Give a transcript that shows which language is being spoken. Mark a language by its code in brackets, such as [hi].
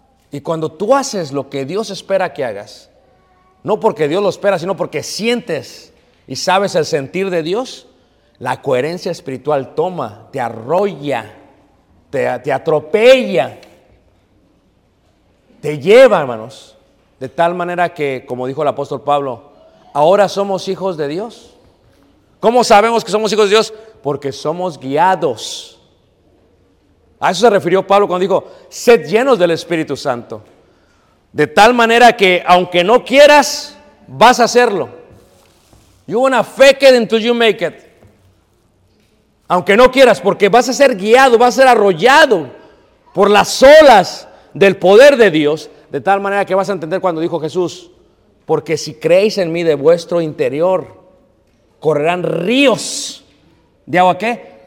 [es] Y cuando tú haces lo que Dios espera que hagas, no porque Dios lo espera, sino porque sientes y sabes el sentir de Dios, la coherencia espiritual toma, te arrolla, te atropella, te lleva, hermanos, de tal manera que, como dijo el apóstol Pablo, ahora somos hijos de Dios. ¿Cómo sabemos que somos hijos de Dios? Porque somos guiados. A eso se refirió Pablo cuando dijo, sed llenos del Espíritu Santo. De tal manera que, aunque no quieras, vas a hacerlo. [en] You wanna fake it until you make it. [es] Aunque no quieras, porque vas a ser guiado, vas a ser arrollado por las olas del poder de Dios, de tal manera que vas a entender cuando dijo Jesús, porque si creéis en mí de vuestro interior, correrán ríos de agua, ¿qué?